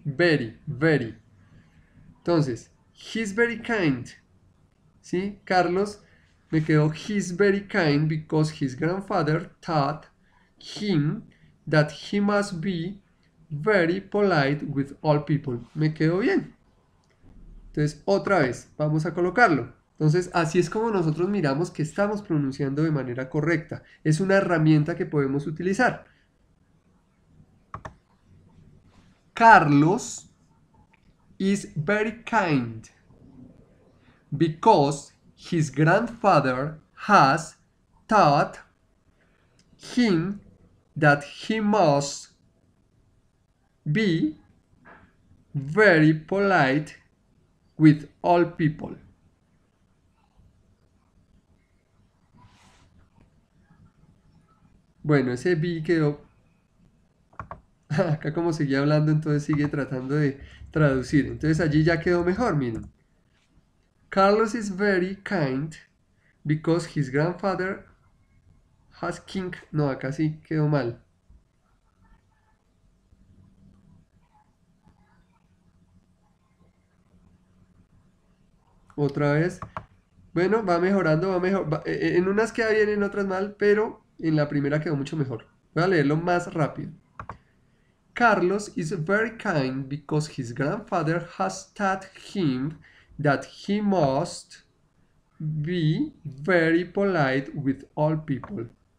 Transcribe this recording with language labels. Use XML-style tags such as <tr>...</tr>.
<en>Very, very.</en> <es>Entonces,</es> <en>he's very kind,</en> <es>¿sí?</es> <en>Carlos</en> <es>me quedó</es> <en>he's very kind because his grandfather taught him that he must be very polite with all people.</en> <es>Me quedó bien. Entonces, otra vez, vamos a colocarlo. Entonces, así es como nosotros miramos que estamos pronunciando de manera correcta. Es una herramienta que podemos utilizar.</es> <en>Carlos is very kind because his grandfather has taught him that he must be very polite with all people.</en> <es>Bueno, ese B quedó. Acá, como seguía hablando, entonces sigue tratando de traducir. Entonces, allí ya quedó mejor. Miren.</es> <en>Carlos is very kind because his grandfather has king.</en> <es>No, acá sí quedó mal. Otra vez. Bueno, va mejorando, va mejor. En unas queda bien, en otras mal, pero. En la primera quedó mucho mejor. Voy a leerlo más rápido.</es> <en>Carlos is very kind because his grandfather has taught him that he must be very polite with all people.</en>